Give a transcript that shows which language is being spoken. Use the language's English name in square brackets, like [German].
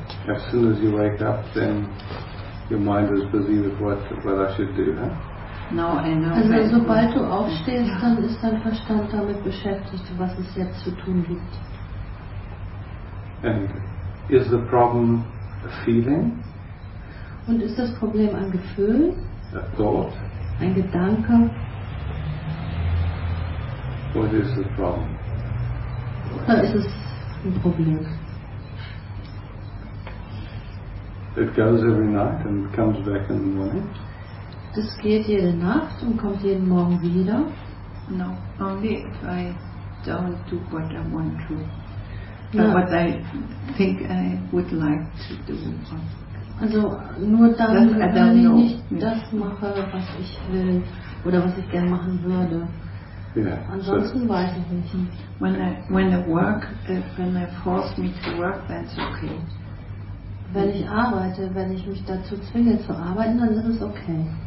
[English] As soon as you wake up, then your mind is busy with what I should do, huh? No, I know. [German] Also sobald du aufstehst, dann ist dein Verstand damit beschäftigt, was es jetzt zu tun gibt. [English] And is the problem a feeling? [German] Und ist das Problem ein Gefühl? [English] A thought? [German] Ein Gedanke? [English] What is the problem? [German] Da ist es ein Problem. [English] It goes every night and comes back in the morning. [German] Das geht jede Nacht und kommt jeden Morgen wieder. [English] No, only if I don't do what I want to. No. What I think I would like to do. [German] Also nur dann, wenn ich nicht das mache, was ich will oder was ich gerne machen würde. [English] Yeah. [German] Ansonsten so, weiß ich nicht. [English] When I force me to work, that's okay. [German] Wenn ich arbeite, wenn ich mich dazu zwinge zu arbeiten, dann ist es okay.